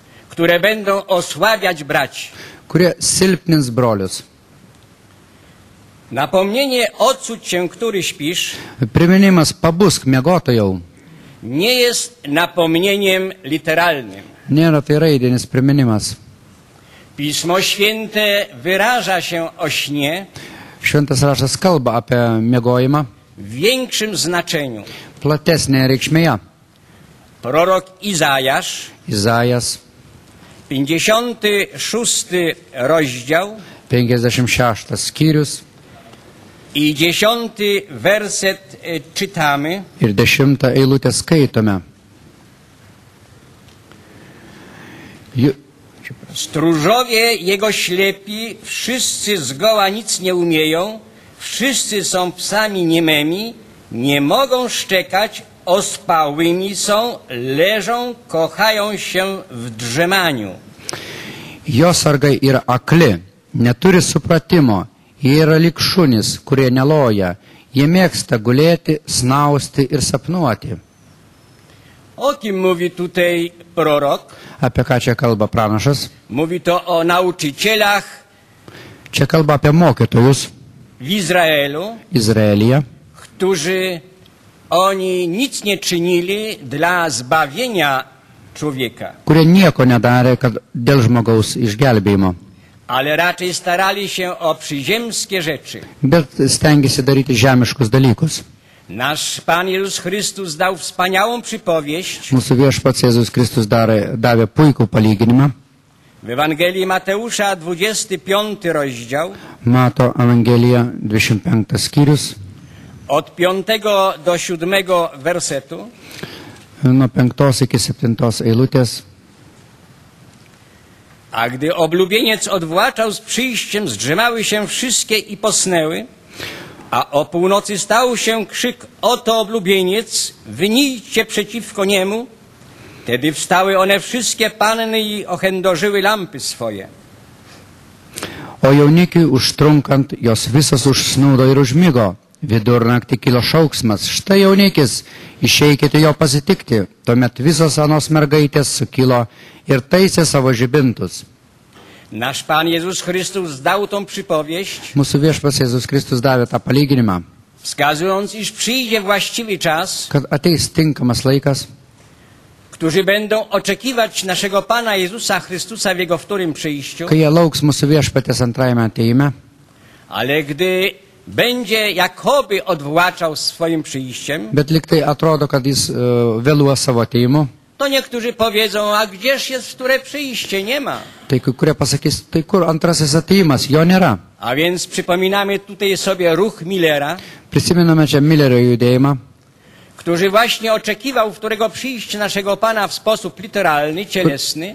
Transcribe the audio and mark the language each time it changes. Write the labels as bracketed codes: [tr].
[pl] Które będą osłabiać braci. [lt] Kurie silpnins brolius. [pl] Napomnienie odsuć cię, który śpisz. [lt] Priminimas pabusk miegotojau. [pl] Nie jest napomnieniem literalnym. [lt] Nėra tai raidinis priminimas. [pl] Pismo Święte wyraża się o śnie. [lt] Šventas raštas kalba apie miegojimą. [pl] W większym znaczeniu. [lt] Platesnėje reikšmėje. [pl] Prorok Izajasz. [lt] Izajas. [pl] 56 rozdział. [lt] 56 skyrius. [pl] I 10 werset czytamy. [lt] Ir 10 eilutę skaitome. [pl] Stróżowie jego ślepi, wszyscy zgoła nic nie umieją, wszyscy są psami niememi, nie mogą szczekać, ospałymi są, leżą, kochają się w drzemaniu. [lt] Jo sargai yra akli, neturi supratimo, jie yra lyg šunys, kurie neloja, jie mėgsta gulėti, snausti ir sapnuoti. [pl] O kim mówi tutaj prorok? [lt] Apie ką čia kalba pranašas? [pl] Mówi to o nauczycielach. [lt] Čia kalba apie mokytojus. [pl] W Izraelu. [lt] Izraelija. [pl] Którzy oni nic nie czynili dla zbawienia człowieka. [lt] Kurie nieko nedarė, kad dėl žmogaus išgelbėjimo. [pl] Ale raczej starali się o przyziemskie rzeczy. [lt] Bet stengiasi daryti žemiškus dalykus. [pl] Nasz Pan Jezus Chrystus dał wspaniałą przypowieść. [lt] Mūsų viešpats Jėzus Kristus davė puikų palyginimą. [pl] W Ewangelii Mateusza 25 rozdział. [lt] Mato Ewangelija 25 skyrius. [pl] Od 5 do 7 wersetu. [lt] Nuo 5 iki 7 eilutės. [pl] A gdy oblubieniec odwłaczał z przyjściem, zdrzemały się wszystkie i posnęły, a o północy stał się krzyk, oto oblubieniec, wynijcie przeciwko niemu. Wtedy wstały one wszystkie panny i ohędożyły lampy swoje. [lt] O jaunikiu užtrunkant, jos visos užsnūdo ir užmigo. Vidurnaktį kilo šauksmas, štai jaunikis, išeikite jo pasitikti. Tuomet visos anos mergaitės sukilo ir taisė savo žibintus. [pl] Nasz Pan Jezus Chrystus dał tą przypowieść. [lt] Mūsų viešpas Jezus Kristus davė tą palyginimą. [pl] Wskazując, iż przyjdzie właściwy czas. [lt] Kad ateis tinkamas laikas. [pl] którzy będą oczekiwać naszego Pana Jezusa Chrystusa w Jego wtórym przyjściu. [lt] Kai lauks mūsų viešpaties antrajame atėjime. [pl] Ale gdy będzie jakoby odwłaczał swoim przyjściem. [lt] Bet lyg tai atrodo, kad jis vėluos savo atėjimu. [pl] To niektórzy powiedzą, a gdzież jest wtóre przyjście? Nie ma. [lt] Tai kai kurie pasakys, tai kur antrasis atėjimas? Jo nėra. [pl] A więc przypominamy tutaj sobie ruch Millera. [lt] Prisimename čia Millerio judėjimą. [pl] Który właśnie oczekiwał, którego przyjście naszego Pana w sposób literalny, cielesny.